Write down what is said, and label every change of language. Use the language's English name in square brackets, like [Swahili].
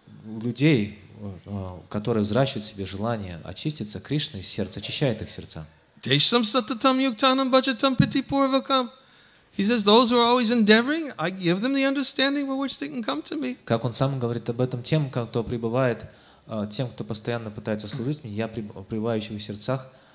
[Russian] У людей, которые взращивают в себе желание очиститься, Кришна из сердца очищает их сердца. [Sanskrit] Дешам сататам юктанам баджатам пити пурвакам. [English] He says, those who are always endeavoring, I give them the understanding by which they can come to me. [Russian] Как он сам говорит об этом, тем, кто пребывает, тем, кто постоянно пытается служить мне, я пребываю в сердцах.